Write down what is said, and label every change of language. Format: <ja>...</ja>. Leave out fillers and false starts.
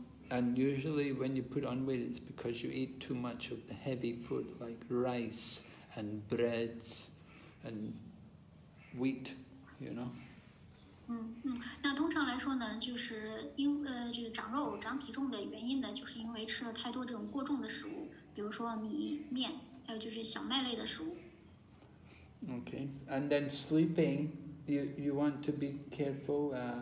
<en>And usually when you put on weight, it's because you eat too much of the heavy food like rice and breads and wheat, you know.</en> <zh>那通常来说呢，就是因这个长肉长体重的原因呢，就是因为吃了太多这种过重的食物，比如说米面，还有就是小麦类的食物。</zh> <en>Okay, and then sleeping, you want to be careful.</en>